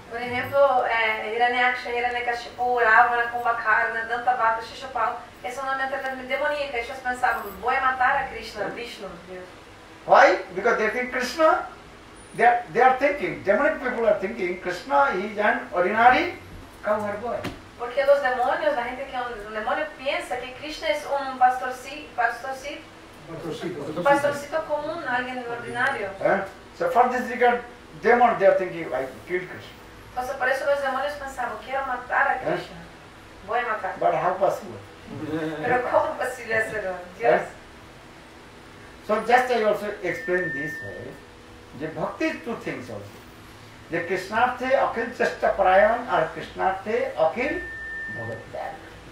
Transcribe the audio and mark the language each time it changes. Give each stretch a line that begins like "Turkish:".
Spanish: Por ejemplo, Hiranyaksha, Hiranyakashipu, Ravana, Kumbhakarna, Dantavakra, Shishupala, es una mente demoníaca. Ellos pensaban, voy a matar a Krishna, Vishnu.
English: Why? Because they think Krishna. They are thinking, demonic people are thinking, Krishna is an ordinary cowherd boy.
Spanish: Porque los demonios, la gente que un demonio piensa que Krishna es un pastorcito común, alguien ordinario.
English: So for this regard, demon, they are thinking, I killed Krishna.
Spanish: Entonces por eso los demonios pensaban, quiero matar a Krishna. Voy a matar.
English: But how possible?
Spanish: Pero ¿cómo posible hacerlo? Dios.
English: So just I also explain this way. The bhakti is two things also.
Sanskrit: The Krishnarthe Akhil Chashta Parayan or Krishnarthe Akhil Bhagat Dhyan.